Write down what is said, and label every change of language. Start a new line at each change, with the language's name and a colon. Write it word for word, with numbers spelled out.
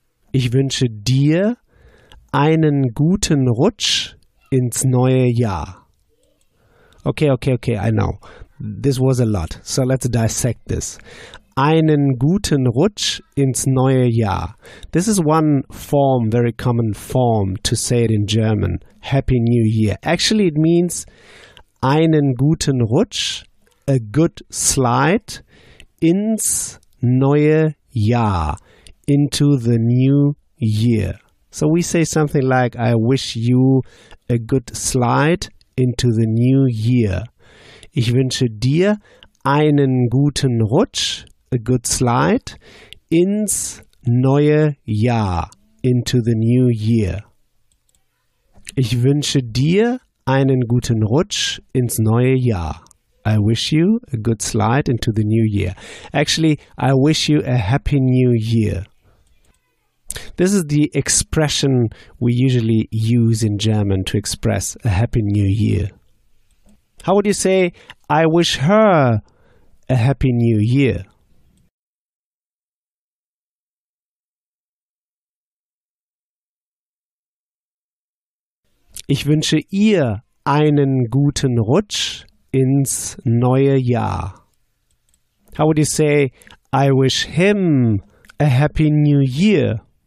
German: Ich wünsche dir einen guten Rutsch ins neue Jahr.
English: Okay, okay, okay, I know. This was a lot, so let's dissect this.
German: Einen guten Rutsch ins neue Jahr.
English: This is one form, very common form to say it in German. Happy New Year. Actually, it means
German: einen guten Rutsch,
English: a good slide,
German: ins neue Jahr,
English: into the new year. So we say something like, I wish you a good slide into the new year. Ich wünsche dir einen guten Rutsch, a good slide, ins neue Jahr, into the new year.
German: Ich wünsche dir einen guten Rutsch ins neue Jahr.
English: I wish you a good slide into the new year. Actually, I wish you a happy new year. This is the expression we usually use in German to express a Happy New Year. How would you say, I wish her a Happy New Year?
German: Ich wünsche ihr einen guten Rutsch ins neue Jahr.
English: How would you say, I wish him a Happy New Year?